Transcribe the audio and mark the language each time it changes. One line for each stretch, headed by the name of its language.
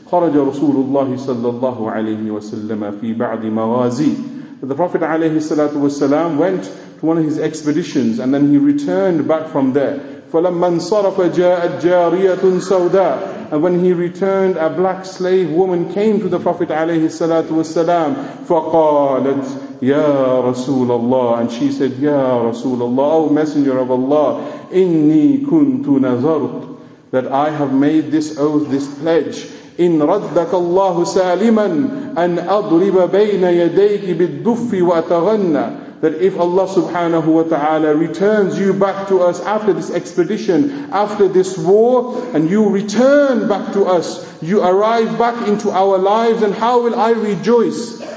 Arabic: خرج رسول الله صلى الله عليه وسلم في بعض مغازي.
English: The Prophet
Arabic: عليه الصلاة والسلام
English: went to one of his expeditions and then he returned back from there.
Arabic: فلما انصرف جاءت جارية سوداء.
English: And when he returned, a black slave woman came to the Prophet
Arabic: عليه الصلاة والسلام. فقالت يا رسول الله.
English: And she said,
Arabic: يا رسول الله,
English: O Messenger of Allah,
Arabic: إني كنت نذرت,
English: that I have made this oath, this pledge,
Arabic: إن ردك الله سالما أن أضرب بين يديك بالدف وأتغنى,
English: that if Allah subhanahu wa ta'ala returns you back to us after this expedition, after this war, and you return back to us, you arrive back into our lives, and how will I rejoice?